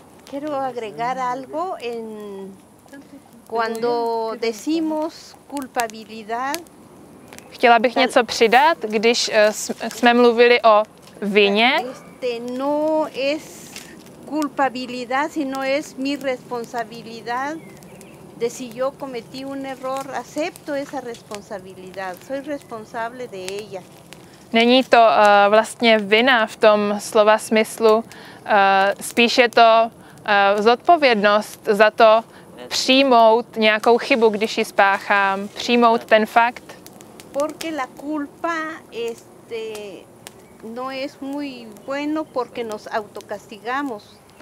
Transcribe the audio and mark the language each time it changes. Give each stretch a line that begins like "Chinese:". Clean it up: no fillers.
Spanish: Quiero agregar algo en cuando decimos culpabilidad.
Czech: Chtěla bych něco přidat, když jsme mluvili o vině.
Spanish: Este no es culpabilidad, sino es mi responsabilidad. De si yo cometí un error, acepto esa responsabilidad. Soy responsable de ella.
Czech: Není to vlastně vina v tom slova smyslu, spíš je to zodpovědnost za to přijmout nějakou chybu, když ji spáchám, přijmout ten fakt.
Spanish: Porque la culpa este no es muy bueno porque nos autocastigamos.